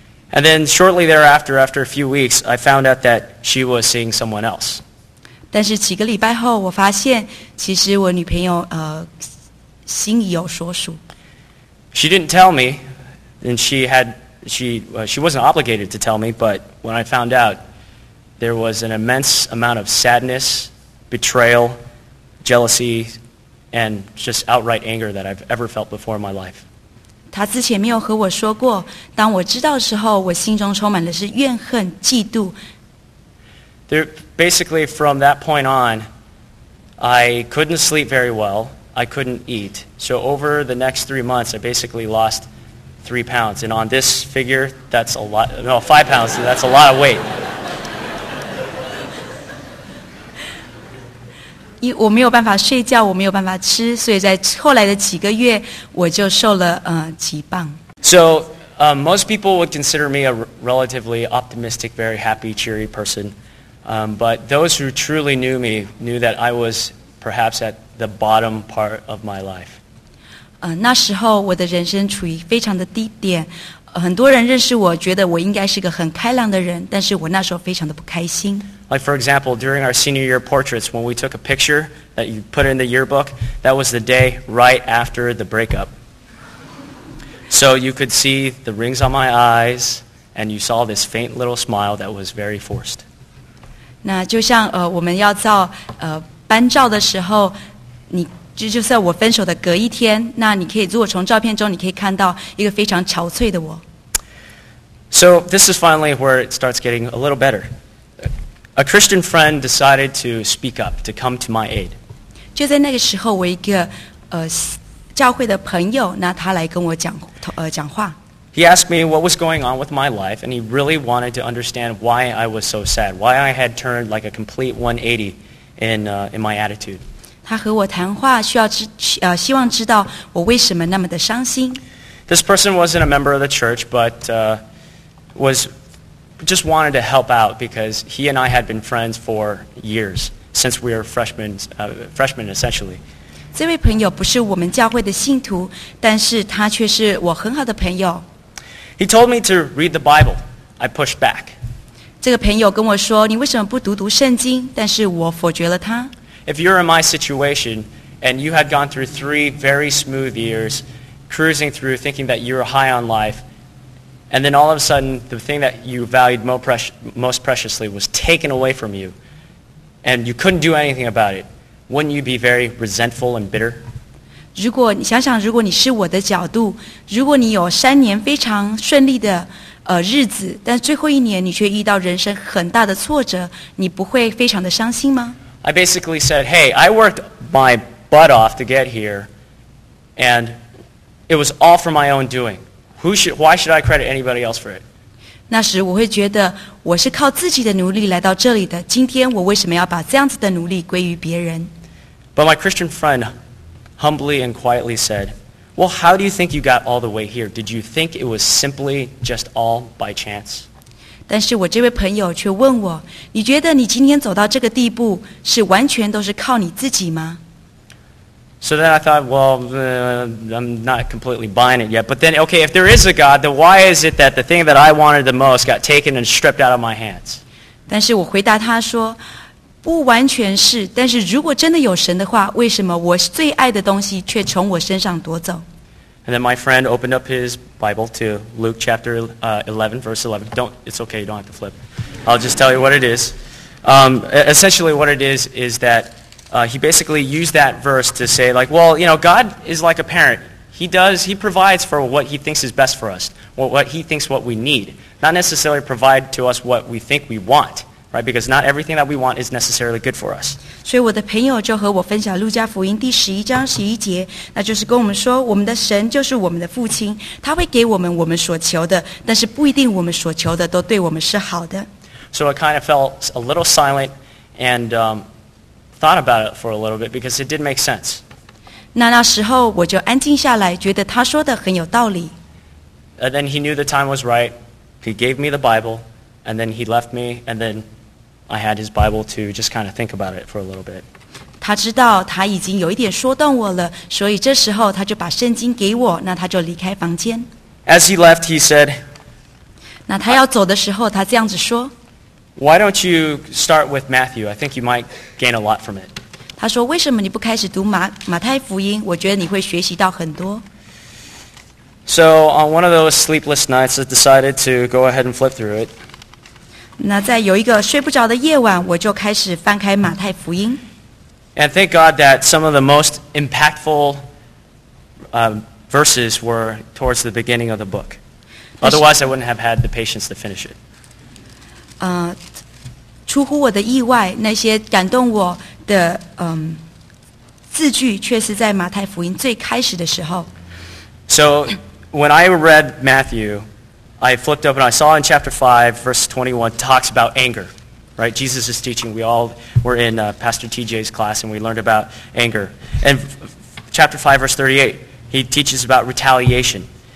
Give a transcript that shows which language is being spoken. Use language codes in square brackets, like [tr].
[en] And then shortly thereafter, after a few weeks, I found out that she was seeing someone else. [zh] 但是几个礼拜后，我发现其实我女朋友 心已有所属。 [en] She didn't tell me, and she wasn't obligated to tell me, but when I found out, there was an immense amount of sadness, betrayal, jealousy, and just outright anger that I've ever felt before in my life. [zh] 她之前没有和我说过，当我知道的时候，我心中充满的是怨恨、嫉妒。 [en] There, basically, from that point on, I couldn't sleep very well. I couldn't eat. So over the next 3 months, I basically lost 3 pounds. And on this figure, that's a lot. No, 5 pounds. So that's a lot of weight. [zh] 我没有办法睡觉，我没有办法吃，所以在后来的几个月，我就瘦了几磅。 [en] So, most people would consider me a relatively optimistic, very happy, cheery person. But those who truly knew me knew that I was perhaps at the bottom part of my life. [zh] 那时候我的人生处于非常的低点。很多人认识我，觉得我应该是个很开朗的人，但是我那时候非常的不开心。 [en] Like for example, during our senior year portraits, when we took a picture that you put in the yearbook, that was the day right after the breakup. So you could see the rings on my eyes, and you saw this faint little smile that was very forced. [zh] 那就像我们要照班照的时候，你。就算我分手的隔一天，那你可以，如果从照片中你可以看到一个非常憔悴的我。 [en] So this is finally where it starts getting a little better. A Christian friend decided to speak up, to come to my aid. [zh] 就在那个时候，我一个教会的朋友，那他来跟我讲话。 [en] He asked me what was going on with my life, and he really wanted to understand why I was so sad, why I had turned like a complete 180 in my attitude. [zh] 他和我谈话需要希望知道我为什么那么的伤心。 [en] This person wasn't a member of the church, but was just wanted to help out because he and I had been friends for years, since we were freshmen essentially. [zh] 这位朋友不是我们教会的信徒，但是他却是我很好的朋友。 [en] He told me to read the Bible. I pushed back. [zh] 这个朋友跟我说，你为什么不读圣经？但是我否决了他。 [en] If you're in my situation and you had gone through three very smooth years cruising through thinking that you were high on life and then all of a sudden the thing that you valued most preciously was taken away from you and you couldn't do anything about it, wouldn't you be very resentful and bitter? [zh] 如果你想想如果你是我的角度如果你有三年非常顺利的日子但最后一年你却遇到人生很大的挫折你不会非常的伤心吗？ [en] I basically said, hey, I worked my butt off to get here, and it was all for my own doing. Why should I credit anybody else for it? [zh] 那时我会觉得我是靠自己的努力来到这里的。今天我为什么要把这样子的努力归于别人? [en] But my Christian friend humbly and quietly said, well, how do you think you got all the way here? Did you think it was simply just all by chance? [zh] 但是我这位朋友却问我，你觉得你今天走到这个地步，是完全都是靠你自己吗？ [en] So then I thought, well, I'm not completely buying it yet. But then, okay, if there is a God, then why is it that the thing that I wanted the most got taken and stripped out of my hands? [zh] 但是我回答他说，不完全是，但是如果真的有神的话，为什么我最爱的东西却从我身上夺走？ [en] And then my friend opened up his Bible to Luke chapter 11, verse 11. It's okay, you don't have to flip. I'll just tell you what it is. Essentially what it is that he basically used that verse to say, like, well, you know, God is like a parent. He provides for what he thinks is best for us, or what he thinks what we need. Not necessarily provide to us what we think we want. Right, because not everything that we want is necessarily good for us. [zh] 所以我的朋友就和我分享路加福音第十一章十一节，那就是跟我们说，我们的神就是我们的父亲，他会给我们我们所求的，但是不一定我们所求的都对我们是好的。 [en] So I kind of felt a little silent and thought about it for a little bit because it did make sense. [zh] 那时候我就安静下来，觉得他说的很有道理。 [en] And then he knew the time was right. He gave me the Bible. And then he left me, and then I had his Bible to just kind of think about it for a little bit. [zh] 他知道他已经有一点说动我了，所以这时候他就把圣经给我，那他就离开房间。 [en] As he left, he said, [zh] 那他要走的时候，他这样子说， [en] Why don't you start with Matthew? I think you might gain a lot from it. [zh] 他说，为什么你不开始读马太福音？我觉得你会学习到很多。 [en] So on one of those sleepless nights, I decided to go ahead and flip through it. [zh] 那在有一个睡不着的夜晚，我就开始翻开马太福音。 [en] And thank God that some of the most impactful verses were towards the beginning of the book. Otherwise, I wouldn't have had the patience to finish it. [zh] 出乎我的意外，那些感动我的字句，却是在马太福音最开始的时候。 [en] So when I read Matthew. I flipped up and I saw in chapter 5, verse 21, talks about anger. right? Jesus' teaching. We all were in Pastor TJ's class, and we learned about anger. And chapter 5, verse 38, he teaches about retaliation.